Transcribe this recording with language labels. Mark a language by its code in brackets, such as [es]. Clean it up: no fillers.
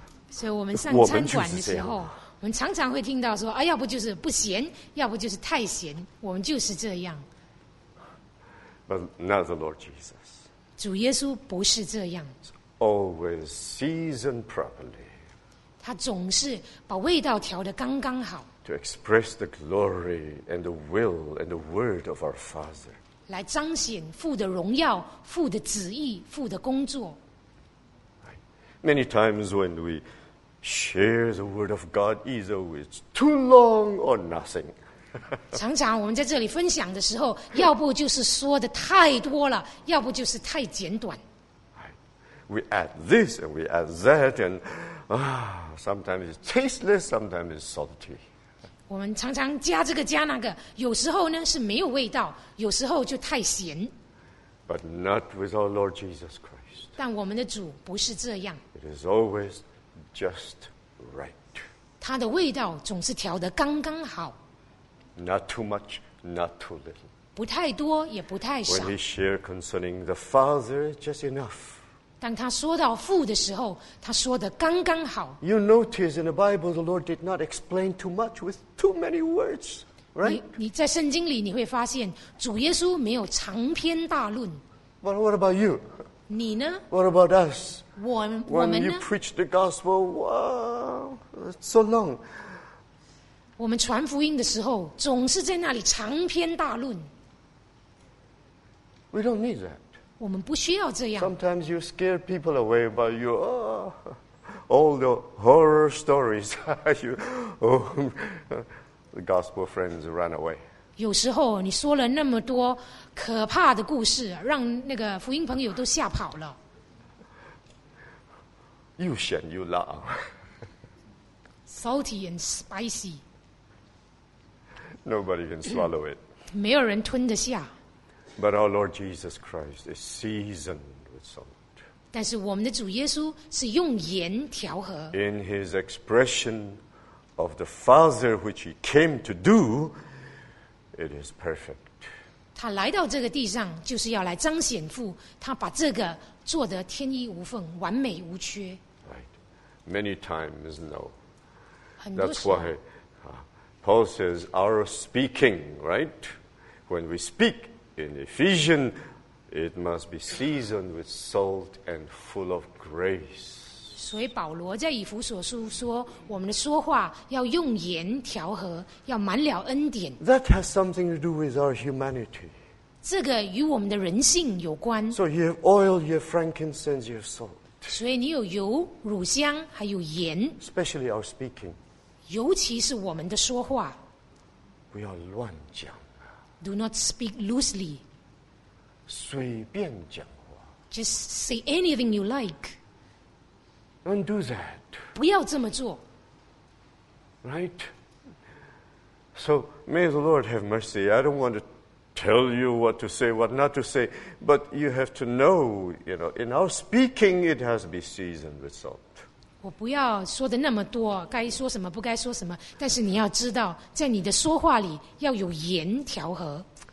[zh] 所以我们上餐馆的时候，我们常常会听到说，啊，要不就是不咸，要不就是太咸，我们就是这样。 [en] But not the Lord Jesus. [zh] 主耶稣不是这样。 [en] Always seasoned properly. [zh] 他总是把味道调得刚刚好。 [en] To express the glory and the will and the word of our Father. [zh] 来彰显父的荣耀，父的旨意，父的工作。 [en] Many times when we share the word of God, either it's too long or nothing. [zh] 常常我们在这里分享的时候，要不就是说的太多了，要不就是太简短。 [en] We add this and we add that, and sometimes it's tasteless, sometimes it's salty. [zh] 我们常常加这个加那个，有时候呢是没有味道，有时候就太咸。 [en] But not with our Lord Jesus Christ. [zh] 但我们的主不是这样。 [en] It is always just right. [zh] 它的味道总是调得刚刚好。 [en] Not too much, not too little. [zh] 不太多，也不太少。 [en] When he shared concerning the Father, just enough. [zh] 当他说到父的时候，他说得刚刚好。 [en] You notice in the Bible, the Lord did not explain too much with too many words, right? [zh] 你在圣经里你会发现，主耶稣没有长篇大论。 [en] But what about you? [zh] 你呢? [en] What about us? [zh] 我们呢? [en] When you preach the gospel, wow, it's so long. [zh] 我们传福音的时候，总是在那里长篇大论。 [en] We don't need that. [zh] 我们不需要这样。 [en] Sometimes you scare people away by your, all the horror stories. the gospel friends run away. [zh] 有时候你说了那么多可怕的故事，让那个福音朋友都吓跑了。又咸又辣。 [en] Salty and spicy. Nobody can swallow it. [zh] 没有人吞得下。 [en] But our Lord Jesus Christ is seasoned with salt. [zh] 但是我们的主耶稣是用盐调和。 [en] In his expression of the Father which he came to do,It is perfect. [zh] 他来到这个地上就是要来彰显父，他把这个做得天衣无缝，完美无缺。 [en] Right. Many times, no. [zh] 很多时候 [en] That's why, Paul says, our speaking, right? When we speak in Ephesians, it must be seasoned with salt and full of grace. [zh] 所以保罗在以弗所书说，我们的说话要用盐调和，要满了恩典。 [en] That has something to do with our humanity. [zh] 这个与我们的人性有关。 [en] So you have oil, you have frankincense, you have salt. [zh] 所以你有油、乳香，还有盐。 [en] Especially our speaking. [zh] 尤其是我们的说话。不要乱讲。 [en] Do not speak loosely. [zh] 随便讲话。 [en] Just say anything you like. Don't do that. [zh] 不要这么做。 [en] Right? So, may the Lord have mercy. I don't want to tell you what to say, what not to say, but you have to know, you know, in our speaking, it has to be seasoned with salt. [zh] 我不要说的那么多，该说什么，不该说什么，但是你要知道，在你的说话里要有盐调和。